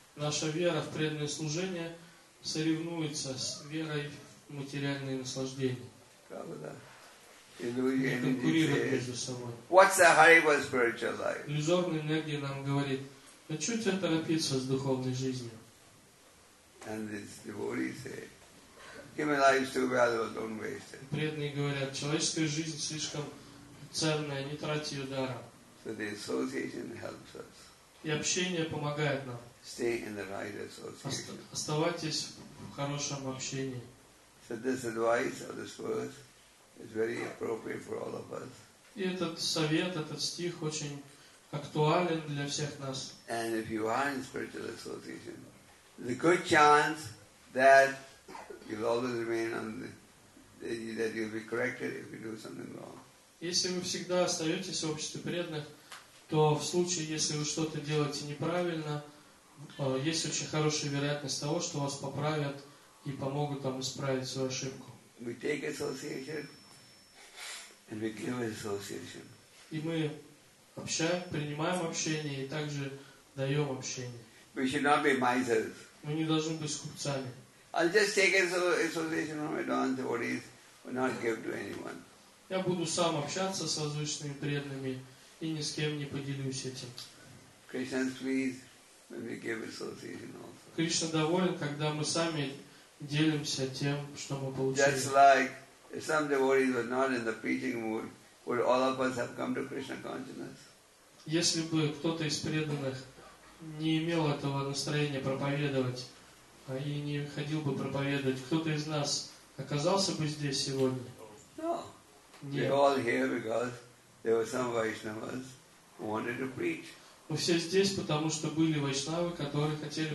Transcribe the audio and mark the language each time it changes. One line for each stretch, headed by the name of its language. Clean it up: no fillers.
Russian: Наша вера в преданное служение соревнуется с верой материальные наслаждения. Иллюзия не конкурирует между собой.
English: What's the hurry for spiritual life?
Russian: Иллюзорная энергия нам говорит, а что тебе торопиться с духовной жизнью?
English: And this devotee say, human life is too valuable, don't waste it.
Russian: Преданные говорят, человеческая жизнь слишком ценная, не трать ее даром.
English: So the association helps us.
Russian: И общение помогает нам.
English: Stay in the right association.
Russian: Оставайтесь в хорошем общении.
English: So this advice of this verse is very appropriate for all of us.
Russian: И этот совет, этот стих очень актуален для всех нас.
English: And if you are in spiritual association, there's a good chance that you'll always remain on the, that you'll be corrected if you do something wrong.
Russian: Если вы всегда остаетесь в обществе преданных, то в случае, если вы что-то делаете неправильно, есть очень хорошая вероятность того, что вас поправят и помогут вам исправить свою ошибку.
English: we take association and we give association.
Russian: И мы принимаем общение и также даем общение.
English: We should not be misers.
Russian: Мы не должны быть скупцами.
English: I'll just take association from my own devotees and not give to anyone.
Russian: Я буду сам общаться с возвышенными преданными и ни с кем не поделюсь этим.
English: Krishna's pleased when we give association also.
Russian: Кришна доволен, когда мы сами делимся тем, что мы получили.
English: Just like if some devotees were not in the preaching mood, would all of us have come to Krishna consciousness?
Russian: Если бы кто-то из преданных не имел этого настроения проповедовать и не ходил бы проповедовать, кто-то из нас оказался бы здесь сегодня?
English: No.
Russian: Нет.
English: We're all here because there were some Vaishnavas who wanted to preach.
Russian: Мы все здесь, потому что были вайшнавы, которые хотели